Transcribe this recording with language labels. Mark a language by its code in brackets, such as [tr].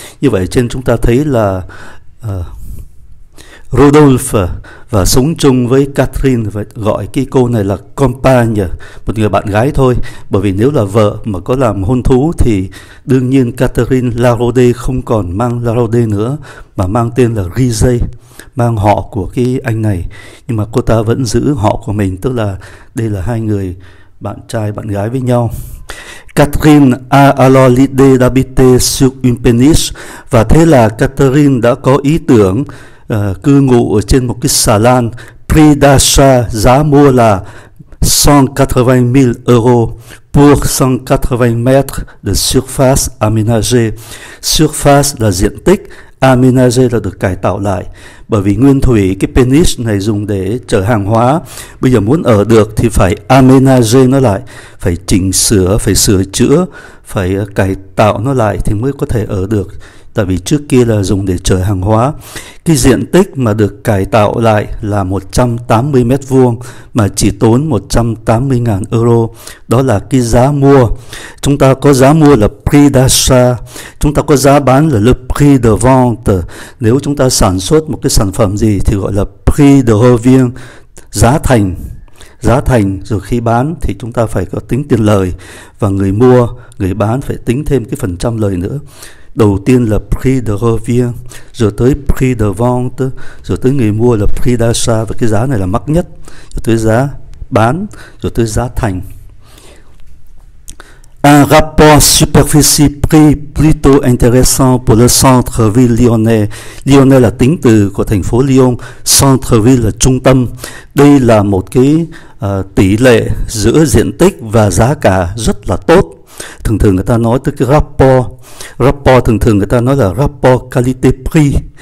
[vi] Như vậy trên chúng ta thấy là Rodolphe và sống chung với Catherine, và gọi cái cô này là compagne, một người bạn gái thôi, bởi vì nếu là vợ mà có làm hôn thú thì đương nhiên Catherine Larode không còn mang Larode nữa, mà mang tên là Rize, mang họ của cái anh này, nhưng mà cô ta vẫn giữ họ của mình, tức là đây là hai người bạn trai bạn gái với nhau. [fr] Catherine a alors l'idée d'habiter sur une péniche, [vi] và thế là Catherine đã có ý tưởng cư ngụ ở trên một cái xà lan. [fr] Prix d'achat, [vi] giá mua là [fr] 180.000 euros pour 180 mètres de surface aménagée. [vi] Surface là diện tích, aménagée là được cải tạo lại. Bởi vì nguyên thủy cái péniche này dùng để chở hàng hóa, bây giờ muốn ở được thì phải aménager nó lại, phải chỉnh sửa, phải sửa chữa, phải cải tạo nó lại thì mới có thể ở được. Tại vì trước kia là dùng để chở hàng hóa. Cái diện tích mà được cải tạo lại là 180 mét vuông mà chỉ tốn 180.000 euro. Đó là cái giá mua. Chúng ta có giá mua là prix d'achat. Chúng ta có giá bán là le prix de vente. Nếu chúng ta sản xuất một cái sản phẩm gì thì gọi là prix de revient, giá thành. Giá thành rồi khi bán thì chúng ta phải có tính tiền lời, và người mua, người bán phải tính thêm cái phần trăm lời nữa. Đầu tiên là prix de revient, rồi tới prix de vente, rồi tới người mua là prix d'achat, và cái giá này là mắc nhất, rồi tới giá bán, rồi tới giá thành. [fr] Un rapport superficie prix plutôt intéressant pour le centre-ville lyonnais. [vi] Lyonnais là tính từ của thành phố Lyon, centre-ville là trung tâm. Đây là một cái tỷ lệ giữa diện tích và giá cả rất là tốt. Thường thường người ta nói tới cái rapport. Rapport thường thường người ta nói là rapport qualité-prix.